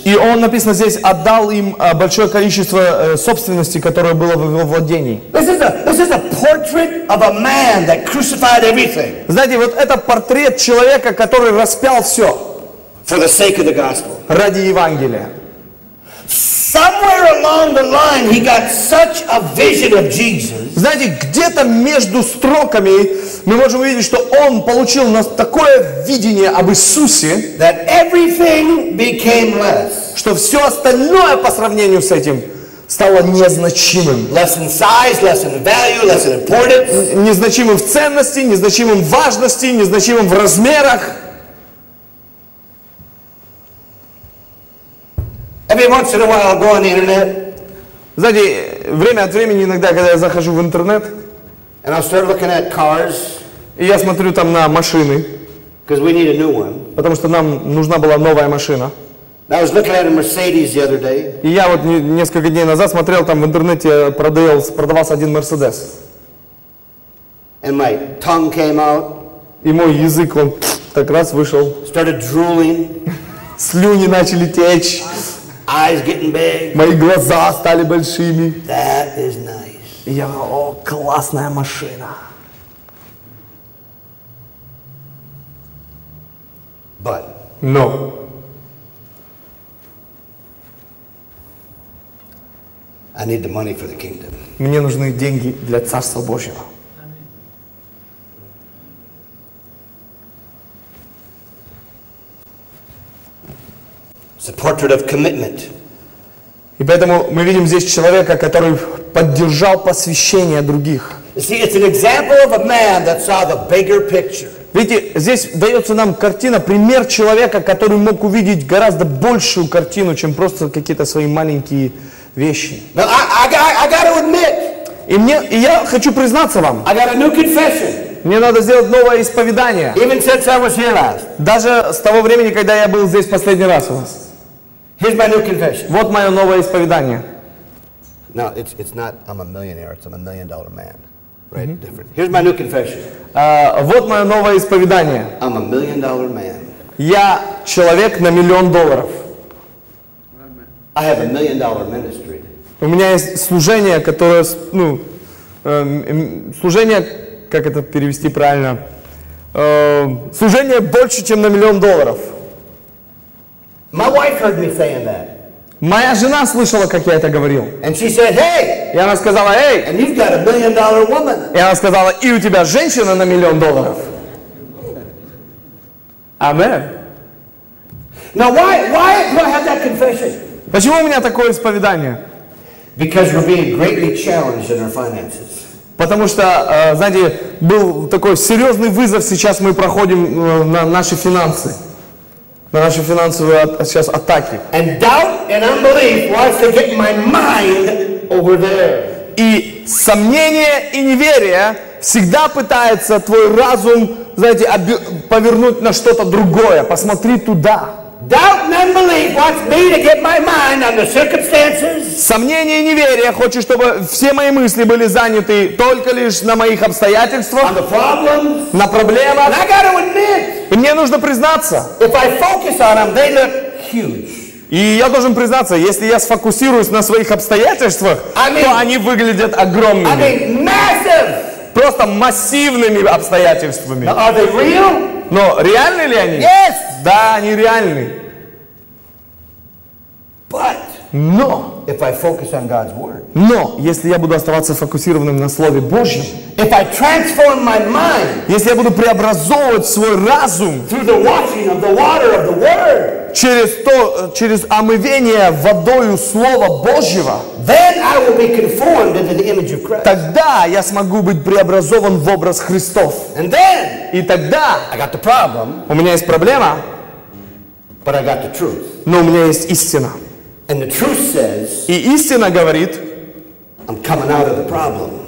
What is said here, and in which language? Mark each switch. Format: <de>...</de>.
<ru>И он, написано здесь, отдал им большое количество собственности, которое было в его владении.</ru> <en>This is a portrait of a man that crucified everything.</en> <ru>Знаете, вот это портрет человека, который распял все.</ru> <en>For the sake of the gospel.</en> <ru>Ради Евангелия.</ru> <en>Somewhere along the line, he got such a vision of Jesus.</en> <ru>Знаете, где-то между строками мы можем увидеть, что он получил у нас такое видение об Иисусе,</ru> <en>that everything became less.</en> <ru>Что все остальное по сравнению с этим стало незначимым.</ru> <en>Less in size, less in value, less in importance.</en> <ru>Незначимым в ценности, незначимым в важности, незначимым в размерах.</ru> <en>Every once in a while, I'll go on the internet.</en> <ru>Знаете, время от времени иногда, когда я захожу в интернет,</ru> <en>and I'll start looking at cars.</en> <ru>И я смотрю там на машины.</ru> <en>Because we need a new one.</en> <ru>Потому что нам нужна была новая машина.</ru> <en>I was looking at a Mercedes the other day.</en> <ru>И я вот несколько дней назад смотрел там в интернете продавался один Mercedes.</ru> <en>And my tongue came out.</en> <ru>И мой язык он так раз вышел.</ru> <en>Started drooling.</en> <ru>Слюни начали течь.</ru> <en>Eyes getting big.</en> <ru>Мои глаза стали большими.</ru> <en>That is nice.</en> <ru>И я говорю, о, классная машина.</ru> <en>But. No. I need the money for the kingdom.</en> <ru>Мне нужны деньги для Царства Божьего.</ru> <en>The portrait of commitment.</en> <ru>И поэтому мы видим здесь человека, который поддержал посвящение других.</ru> <en>See, it's an example of a man that saw the bigger picture.</en> <ru>Видите, здесь дается нам картина, пример человека, который мог увидеть гораздо большую картину, чем просто какие-то свои маленькие вещи.</ru> <en>Now, I gotta admit,</en> <ru>и я хочу признаться вам.</ru> <en>I got a new confession.</en> <ru>Мне надо сделать новое исповедание.</ru> <en>Even since I was here last.</en> <ru>Даже с того времени, когда я был здесь последний раз у вас.</ru> <en>Here's my new confession.</en> <ru>Вот мое новое исповедание.</ru> <en>No, it's not I'm a millionaire, it's I'm a million dollar man. Right? Mm-hmm. Different. Here's my new confession.</en> <ru>Вот мое новое исповедание.</ru> <en>I'm a million dollar man.</en> <ru>Я человек на миллион долларов.</ru> <en>I have a million dollar ministry.</en> <ru>У меня есть служение, которое, ну, служение, как это перевести правильно? Служение больше, чем на миллион долларов.</ru> <en>My wife heard me saying that.</en> <ru>Моя жена слышала, как я это говорил.</ru> <en>And she said, hey.</en> <ru>И она сказала, эй.</ru> <en>And you've got a million dollar woman.</en> <ru>И она сказала, и у тебя женщина на миллион долларов.</ru> <en>Amen. Now why do I have that confession?</en> <ru>Почему у меня такое исповедание?</ru> <en>Because we're being greatly challenged in our finances.</en> <ru>Потому что, знаете, был такой серьезный вызов, сейчас мы проходим на наши финансы. На наши финансовые сейчас атаки.</ru> <en>And doubt and unbelief wants to get my mind over there.</en> <ru>И сомнение и неверие всегда пытается твой разум, знаете, повернуть на что-то другое. Посмотри туда.</ru> <en>Doubt and unbelief wants me to get my mind on the circumstances.</en> <ru>Сомнение и неверие хочет, чтобы все мои мысли были заняты только лишь на моих обстоятельствах.</ru> <en>On the problems.</en> <ru>На проблемах.</ru> <en>And I gotta admit.</en> <ru>И мне нужно признаться.</ru> <en>If I focus on them, they look huge.</en> <ru>И я должен признаться, если я сфокусируюсь на своих обстоятельствах,</ru> <en>I mean,</en> <ru>то они выглядят огромными.</ru> <en>I mean, massive.</en> <ru>просто массивными обстоятельствами.</ru> <en>Now, are they real?</en> <ru>Но реальны ли они?</ru> <en>Yes.</en> <ru>Да, они реальны.</ru> <en>But.</en> <ru>Но.</ru> <en>If I focus on God's word.</en> <ru>Но если я буду оставаться фокусированным на Слове Божьем.</ru> <en>If I transform my mind.</en> <ru>Если я буду преобразовывать свой разум.</ru> <en>Through the washing of the water of the word.</en> <ru>Через то, через омывение водою Слова Божьего.</ru> <en>Then I will be conformed into the image of Christ.</en> <ru>Тогда я смогу быть преобразован в образ Христов.</ru> <en>And then.</en> <ru>И тогда.</ru> <en>I got the problem.</en> <ru>У меня есть проблема.</ru> <en>But I got the truth.</en> <ru>Но у меня есть истина.</ru> <en>And the truth says.</en> <ru>И истина говорит.</ru> <en>I'm coming out of the problem.</en>